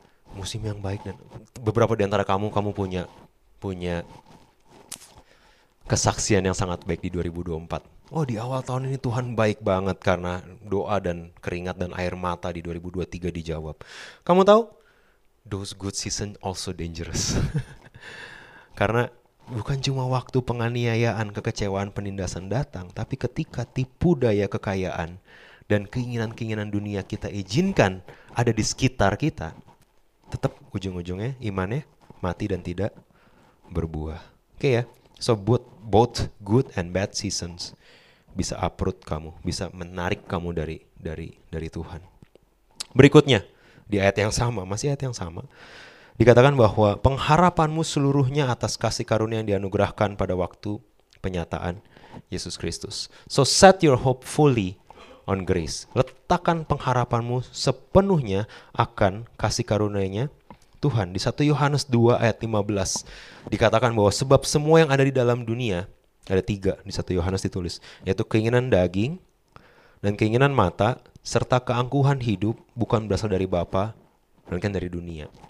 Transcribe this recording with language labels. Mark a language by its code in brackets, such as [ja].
[id] Musim yang baik, dan beberapa di antara kamu punya kesaksian yang sangat baik di 2024. Oh, di awal tahun ini Tuhan baik banget karena doa dan keringat dan air mata di 2023 dijawab. Kamu tahu? [en] Those good season also dangerous. [id] Karena bukan cuma waktu penganiayaan, kekecewaan, penindasan datang, tapi ketika tipu daya kekayaan dan keinginan-keinginan dunia kita izinkan ada di sekitar kita, tetap ujung-ujungnya imannya mati dan tidak berbuah. Oke ya, [en] so both good and bad seasons [id] bisa uproot kamu, bisa menarik kamu dari Tuhan. Berikutnya, di ayat yang sama, masih ayat yang sama, dikatakan bahwa pengharapanmu seluruhnya atas kasih karunia yang dianugerahkan pada waktu penyataan Yesus Kristus. [en] So set your hope fully on grace. [id] Letakkan pengharapanmu sepenuhnya akan kasih karunia-Nya Tuhan. Di 1 Yohanes 2 ayat 15 dikatakan bahwa sebab semua yang ada di dalam dunia, ada tiga di 1 Yohanes ditulis, yaitu keinginan daging dan keinginan mata serta keangkuhan hidup bukan berasal dari Bapa melainkan dari dunia.